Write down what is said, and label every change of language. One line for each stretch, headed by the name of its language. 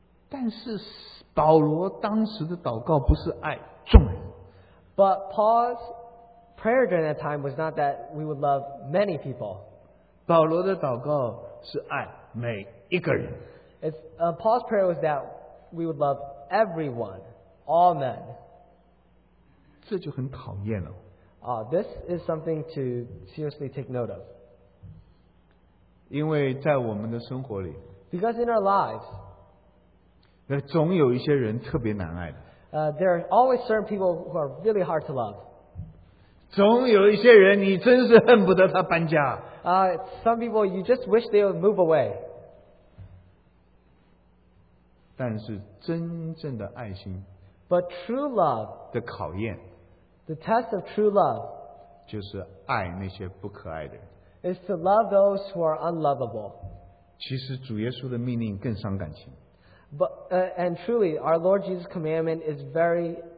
Chinese: 但是保罗当时的祷告不是爱众人。
English: But Paul's prayer during that time was not that we would love many people.
Chinese: 保罗的祷告是爱每一个人。
English: Paul's prayer was that we would love everyone, all men.
Chinese: 这就很讨厌了。
English: This is something to seriously take note of.
Chinese: 因为在我们的生活里,
English: because in our lives,
Chinese: 总有一些人特别难爱的。
English: There are always certain people who are really hard to love.
Chinese: 总有一些人你真是恨不得他搬家。
English: Some people, you just wish they would move away.
Chinese: 但是真正的爱心,
English: but true love,
Chinese: 的考验,
English: the test of true love,
Chinese: 就是爱那些不可爱的,
English: is to love those who are unlovable.
Chinese: 其实主耶稣的命令更伤感情。
English: But, and truly, our Lord Jesus' commandment is very,